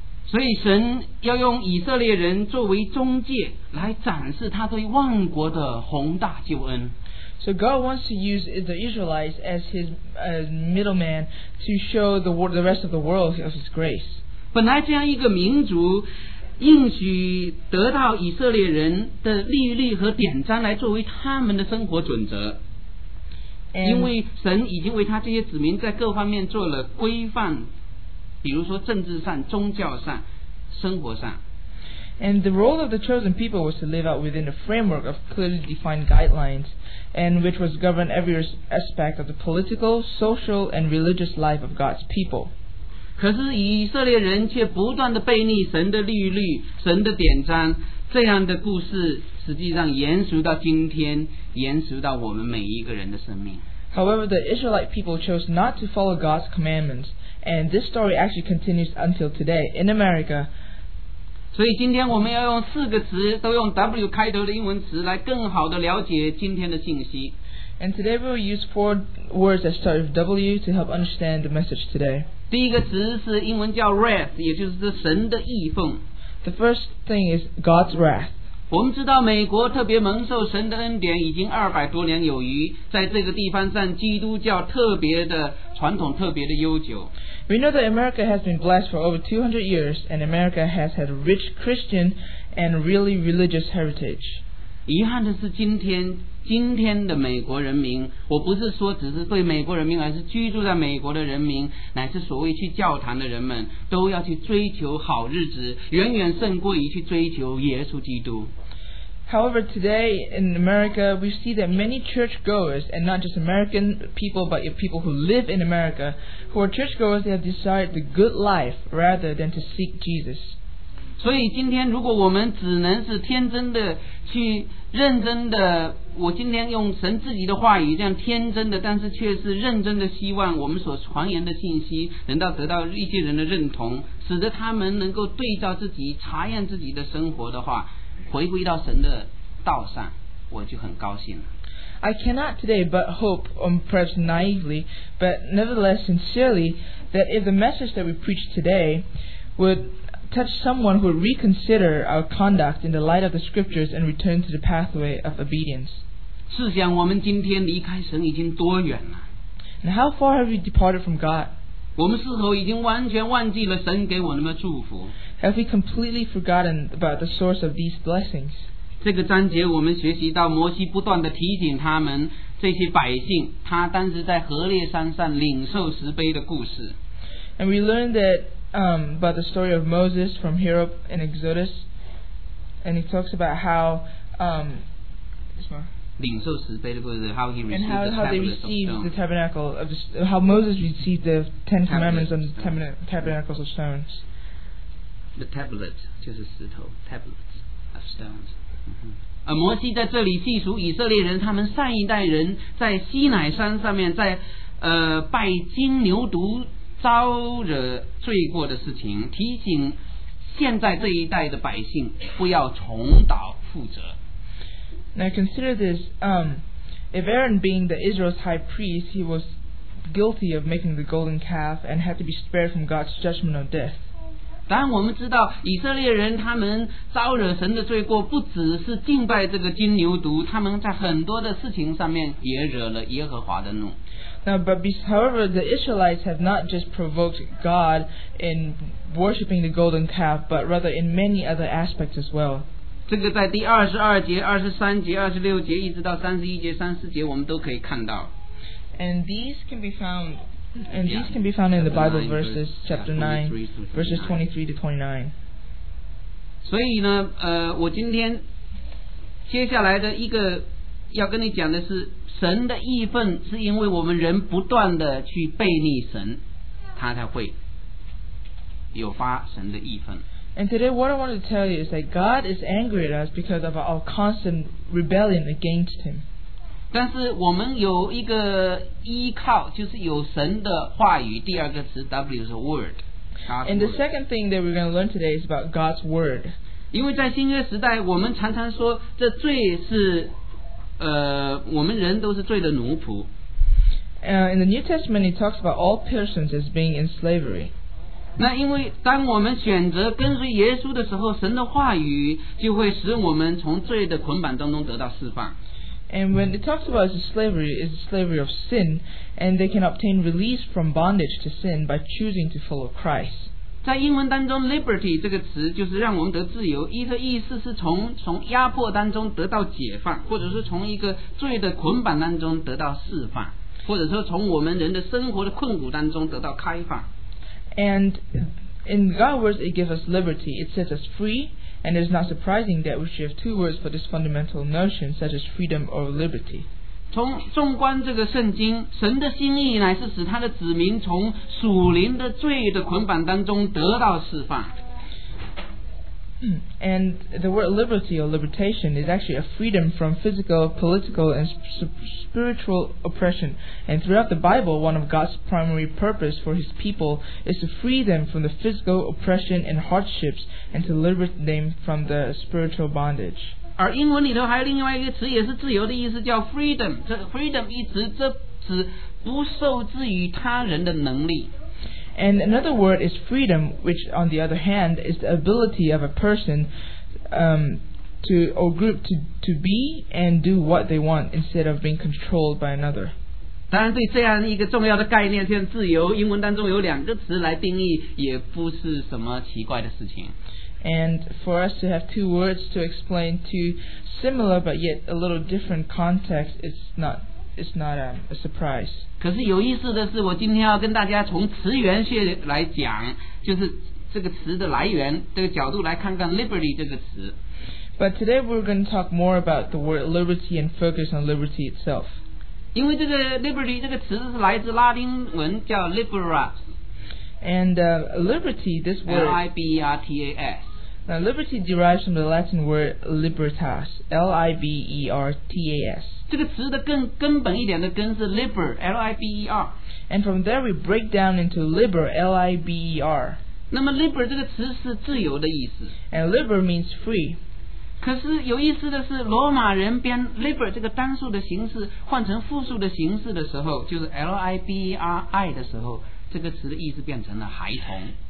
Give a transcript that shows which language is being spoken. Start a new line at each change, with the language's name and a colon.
Chinese: 所以神要用以色列人作为中介来展示他对万国的宏大救恩。
English: So God wants to use the Israelites as his middleman to show the rest of the world of his grace.
Chinese: 本来这样一个民族应许得到以色列人的律例和典章来作为他们的生活准则。因为神已经为他这些子民在各方面做了规范。比如说政治上、宗教上、生活上。
English: And the role of the chosen people was to live out within a framework of clearly defined guidelines, and which was govern every aspect of the political, social, and religious life of God's people.
Chinese: 可是以色列人却不断地背逆神的律例、神的典章，这样的故事实际上延续到今天，延续到我们每一个人的生命。
English: However, the Israelite people chose not to follow God's commandments. And this story actually continues until today in America.
Chinese: 所以今天我们要用四个词，都用 W 开头的英文词，来更好地了解今天的信息。
English: And today we will use four words that start with W to help understand the message today.
Chinese: 第一个词是英文叫 wrath， 也就是神的义愤。
English: The first thing is God's wrath.
Chinese: 我们知道美国特别蒙受神的恩典已经二百多年有余，在这个地方上，基督教特别的。传统特别的悠久。
English: We know that America has been blessed for over 200 years, and America has had a rich Christian and really religious heritage.
Chinese: 遗憾的是今天的美国人民，我不是说只是对美国人民，而是居住在美国的人民，乃是所谓去教堂的人们，都要去追求好日子，远远胜过于去追求耶稣基督。
English: However, today in America, we see that many churchgoers, and not just American people, but people who live in America, who are churchgoers, they have decided the good life rather than to seek Jesus.
Chinese: 所以今天如果我们只能是天真的去认真的，我今天用神自己的话语这样天真的，但是却是认真的希望我们所传言的信息能够得到一些人的认同，使得他们能够对照自己查验自己的生活的话，回归到神的道上，我就很高兴了。
English: I cannot today but hope, or perhaps naively, but nevertheless sincerely, that if the message that we preach today would touch someone who would reconsider our conduct in the light of the scriptures and return to the pathway of obedience.
Chinese: 试想我们今天离开神已经多远了。
English: And how far have we departed from God?
Chinese: 我们是否已经完全忘记了神给我们的祝福？
English: Have we completely forgotten about the source of these blessings?
Chinese: 这个章节我们学习到摩西不断地提醒他们这些百姓他当时在何烈山上领受石碑的故事。
English: And we learned that about the story of Moses from here up in Exodus, and he talks about how how Moses received the Ten Commandments on the tablets of stones. The tablet
Chinese: 就是石头
English: tablets of stones.
Chinese: 摩西在这里记述以色列人他们上一代人在西乃山上面在拜金牛犊招惹罪过的事情，提醒现在这一代的百姓不要重蹈覆辙。
English: Now consider this, if Aaron being the Israel's high priest, he was guilty of making the golden calf and had to be spared from God's judgment of death.
Chinese: 当我们知道以色列人他们招惹神的罪过，不只是敬拜这个金牛犊，他们在很多的事情上面也惹了耶和华的怒。
English: Now, but however, the Israelites have not just provoked God in worshipping the golden calf, but rather in many other aspects as well.
Chinese: 这个在第二十二节、二十三节、二十六节，一直到三十一节、三十四节，我们都可以看到。
English: And these can be found in the Bible verses chapter 9, verses 23 to 29.
Chinese: 所以呢，我今天接下来的一个要跟你讲的是。神的义愤是因为我们人不断的去背逆神，他才会有发神的义愤。
English: And today what I want to tell you is that God is angry at us because of our constant rebellion against him.
Chinese: 但是我们有一个依靠，就是有神的话语。第二个词 W 是 word。
English: And the second thing that we're going to learn today is about God's word.
Chinese: 因为在新约时代，我们常常说这罪是。我们人都是罪的奴仆。
English: In the New Testament, it talks about all persons as being in slavery.
Chinese: 那因为当我们选择跟随耶稣的时候，神的话语就会使我们从罪的捆绑当中得到释放。
English: And when it talks about slavery, it's slavery of sin, and they can obtain release from bondage to sin by choosing to follow Christ.
Chinese: 在英文当中 ，liberty 这个词就是让我们得自由，一个意思是从压迫当中得到解放，或者是从一个罪的捆绑当中得到释放，或者说从我们人的生活的困苦当中得到开放。
English: And in God's words, it gives us liberty. It sets us free, and it's not surprising that we should have two words for this fundamental notion, such as freedom or liberty.
Chinese: 从纵观这个圣经，神的心意乃是使他的子民从属灵的罪的捆绑当中得到释放。
English: And the word liberty or libertation is actually a freedom from physical, political, and spiritual oppression. And throughout the Bible, one of God's primary purpose for His people is to free them from the physical oppression and hardships, and to liberate them from the spiritual bondage.
Chinese: 而英文里头还有另外一个词也是自由的意思叫 freedom 这 freedom 一词这指不受制于他人的能力
English: and another word is freedom which on the other hand is the ability of a person to or group to be and do what they want instead of being controlled by another
Chinese: 当然对这样一个重要的概念像自由英文当中有两个词来定义也不是什么奇怪的事情
English: And for us to have two words to explain two similar but yet a little different context, it's not a surprise.
Chinese: 可是有意思的是，我今天要跟大家从词源学来讲，就是这个词的来源这个角度来看看 liberty 这个词。
English: But today we're going to talk more about the word liberty and focus on liberty itself.
Chinese: 因为这个 liberty 这个词是来自拉丁文叫 liberas.
English: And liberty, this word... L-I-B-E-R-T-A-S. Now liberty derives from the Latin word libertas, L-I-B-E-R-T-A-S.
Chinese: 这个词的根本一点的根是 liber, L-I-B-E-R.
English: And from there we break down into liber, L-I-B-E-R.
Chinese: 那么 liber 这个词是自由的意思。
English: And liber means free.
Chinese: 可是有意思的是罗马人编 liber 这个单数的形式换成复数的形式的时候就是 L-I-B-E-R-I 的时候这个词的意思变成了孩童